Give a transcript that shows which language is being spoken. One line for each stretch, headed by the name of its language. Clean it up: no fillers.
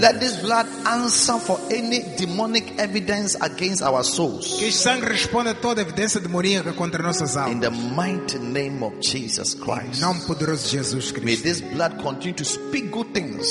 English: Let this blood answer for any demonic evidence against our souls.
Portuguese: Que este sangue responda a toda evidência demoníaca contra nossas almas.
English: In the mighty name of Jesus Christ.
Portuguese: Em nome poderoso de Jesus Cristo.
English: May this blood continue to speak good things.